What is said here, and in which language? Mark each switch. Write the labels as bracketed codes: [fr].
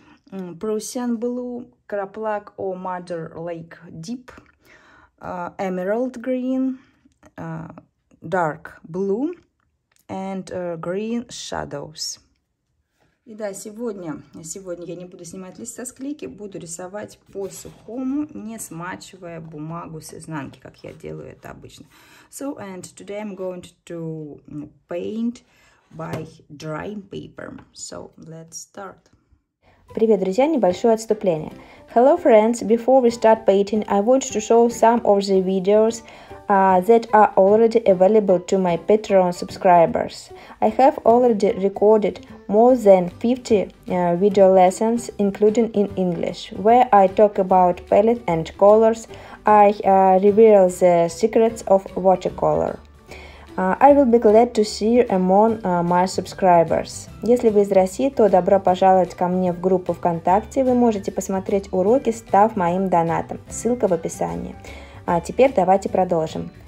[en] Prussian blue, краплак or Mother Lake Deep, Emerald Green, Dark Blue and Green Shadows. [ru] И да, сегодня я не буду снимать лист со склейки, буду рисовать по сухому, не смачивая бумагу с изнанки, как я делаю это обычно. [en] So, and today I'm going to paint by dry paper. So, let's start. [ru] Привет, друзья! Небольшое отступление. [en] Hello, friends! Before we start painting, I want to show some of the videos that are already available to my Patreon subscribers. I have already recorded more than 50 video lessons, including in English, where I talk about palette and colors. I reveal the secrets of watercolor. I will be glad to see you among my subscribers. [ru] Если вы из России, то добро пожаловать ко мне в группу ВКонтакте. Вы можете посмотреть уроки, став моим донатом. Ссылка в описании. А теперь давайте продолжим.